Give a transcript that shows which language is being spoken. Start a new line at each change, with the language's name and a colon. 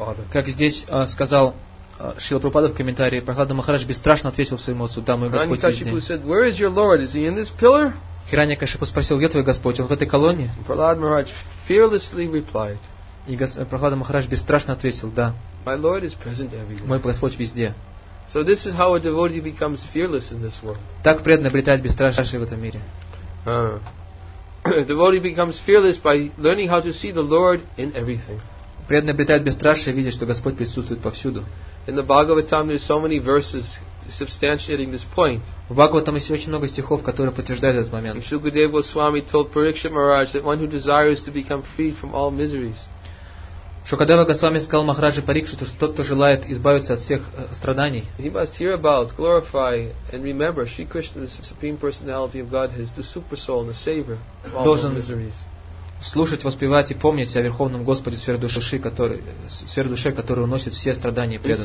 Russian: Как здесь сказал Шрила Прабхупада в комментарии, Прохлада Махарадж бесстрашно ответил своему отцу, да, мой Господь везде. Хираньякашипу спросил, где твой Господь? Он в этой колонии?
English: Prahlad Maharaj fearlessly replied.
Russian: И Прохлада Махарадж бесстрашно ответил, да.
English: My Lord is present everywhere.
Russian: Мой Господь везде.
English: So this is how a devotee becomes fearless in this world.
Russian: Так преданный обретает бесстрашие в этом мире.
English: A devotee becomes fearless by learning how to see the Lord in everything.
Russian: Преданный обретает бесстрашие, видя, что Господь присутствует повсюду.
English: In the Bhagavatam, there's so many verses substantiating this point.
Russian: В Бхагаватам есть очень много стихов, которые подтверждают этот момент.
English: And Shukadeva Swami told Parikshit Maharaj that one who desires to become freed from all miseries.
Russian: Шукадева Госвами сказал Махараджи Парикшиту, что тот, кто желает избавиться от всех страданий,
English: he must hear about, glorify and remember Sri Krishna, the Supreme Personality of Godhead, the Super Soul, the Savior of all
Russian: должен
English: miseries.
Russian: Слушать, воспевать и помнить о Верховном Господе сверхдуше, который уносит все страдания